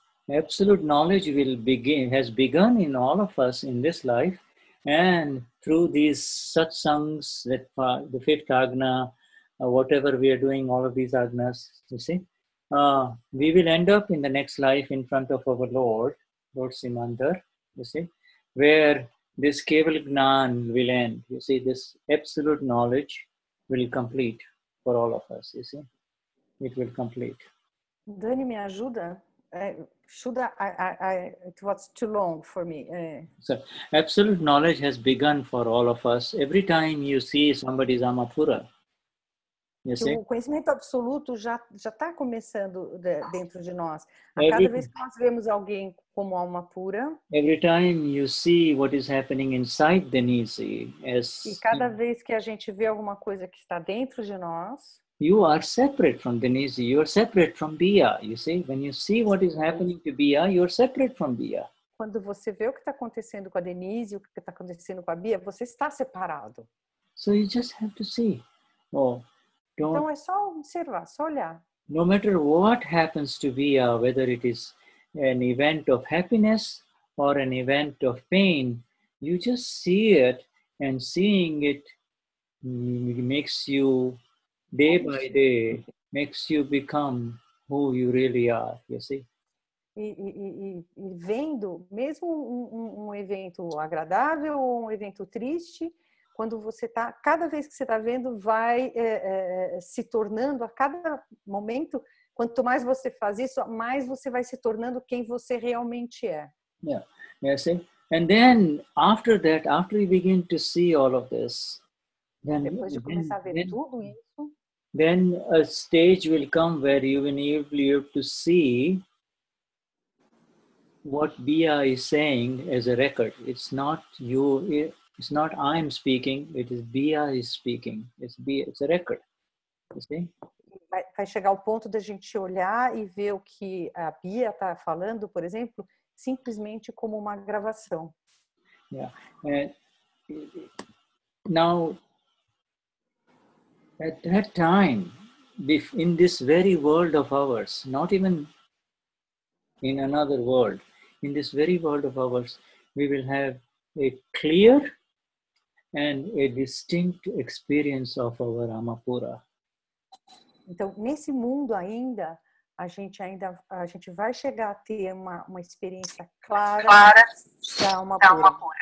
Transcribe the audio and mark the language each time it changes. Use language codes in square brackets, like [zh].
[en] Absolute knowledge has begun in all of us in this life, and through these satsangs, that the fifth agna, whatever we are doing, all of these agnas, you see, we will end up in the next life in front of our Lord Simandar, you see, where this Keval Gnan will end, you see, this absolute knowledge will complete. For all of us, you see, it will complete. [pt] Dani, me ajuda? [en] Should I it was too long for me. So absolute knowledge has begun for all of us every time you see somebody's amapura. [pt] O conhecimento absoluto já está começando dentro de nós. A cada vez que nós vemos alguém como alma pura. [en] Every time you see what is happening inside Denise, as [pt] e cada vez que a gente vê alguma coisa que está dentro de nós. [en] You are separate from Denise. You are separate from Bia. You see, when you see what is happening to Bia, you are separate from Bia. [pt] Quando você vê o que está acontecendo com a Denise, o que está acontecendo com a Bia, você está separado. [en] So you just have to see. [pt] Então é só observar, só olhar. [en] No matter what happens to Bia, whether it is an event of happiness or an event of pain, you just see it, and seeing it makes you day by day makes you become who you really are. You see? [pt] E vendo mesmo um evento agradável ou um evento triste. Quando você está, cada vez que você está vendo, vai se tornando, a cada momento, quanto mais você faz isso, mais você vai se tornando quem você realmente é. [en] Yeah, yeah, see? And then, after that, after you begin to see all of this, then, [pt] depois de começar a ver tudo isso, [en] then a stage will come where you will be able to see what Bia is saying as a record. It's not you... It's not I'm speaking, it is Bia is speaking. It's Bia, it's a record. You see? [pt] Vai chegar o ponto da gente olhar e ver o que a Bia está falando, por exemplo, simplesmente como uma gravação. [en] Yeah. Now, at that time, in this very world of ours, not even in another world, in this very world of ours, we will have a clear and a distinct experience of our Amapura. [pt] Então, nesse mundo ainda, a gente vai chegar a ter uma experiência clara da Amapura.